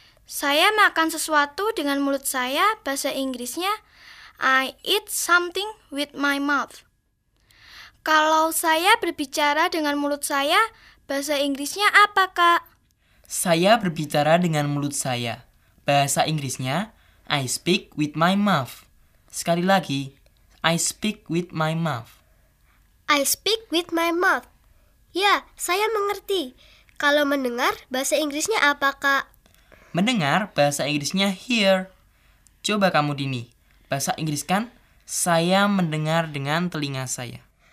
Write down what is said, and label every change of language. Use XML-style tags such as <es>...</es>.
<id>Saya makan sesuatu dengan mulut saya, bahasa Inggrisnya,</id> <en>I eat something with my mouth.</en> <id>Kalau saya berbicara dengan mulut saya, bahasa Inggrisnya apa, Kak? Saya berbicara dengan mulut saya. Bahasa Inggrisnya,</id> <en>I speak with my mouth.</en> <id>Sekali lagi,</id> <en>I speak with my mouth. I speak with my mouth.</en> <id>Ya, saya mengerti. Kalau mendengar, bahasa Inggrisnya apa, Kak? Mendengar, bahasa Inggrisnya hear. Coba kamu Dini, bahasa Inggris kan, saya mendengar dengan telinga saya.</id>